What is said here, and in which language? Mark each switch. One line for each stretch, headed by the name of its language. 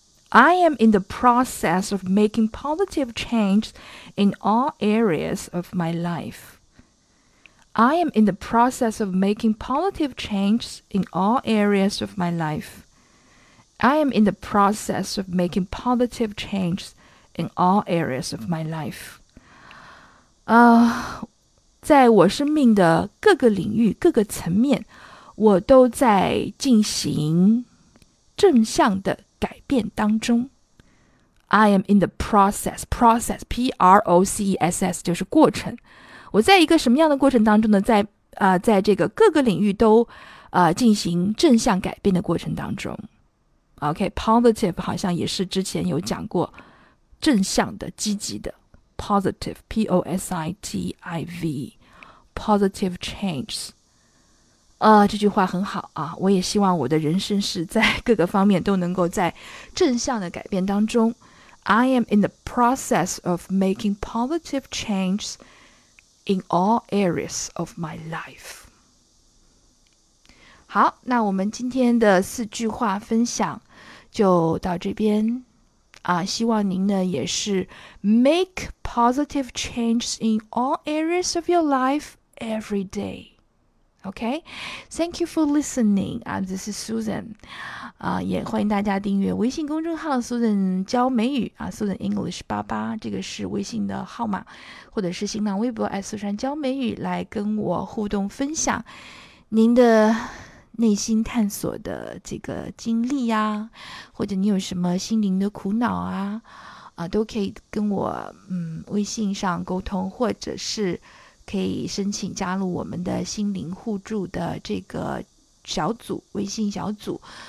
English: I am in the process of making positive change in all areas of my life. I am in the process of making positive change in all areas of my life. I am in the process of making positive changes in all areas of my life.
Chinese: 在我生命的各个领域、各个层面，我都在进行正向的改变当中。
English: I am in the process, process, P-R-O-C-E-S-S,
Chinese: 就是过程。我在一个什么样的过程当中呢？在这个各个领域都进行正向改变的过程当中。
English: OK, positive
Chinese: 好像也是之前有讲过正向的、积极的
English: positive, P-O-S-I-T-I-V, positive change.
Chinese: 这句话很好啊，我也希望我的人生是在各个方面都能够在正向的改变当中。
English: I am in the process of making positive change in all areas of my life.
Chinese: 好，那我们今天的四句话分享就到这边啊，希望您呢也是
English: make positive change in all areas of your life every day. Okay, thank you for listening. This is Susan.
Chinese: 也欢迎大家订阅微信公众号 Susan 教美语啊 ，Susan English 88，这个是微信的号码，或者是新浪微博 @Susan 教美语来跟我互动分享您的。内心探索的这个经历呀，或者你有什么心灵的苦恼啊，都可以跟我微信上沟通，或者是可以申请加入我们的心灵互助的这个小组，微信小组。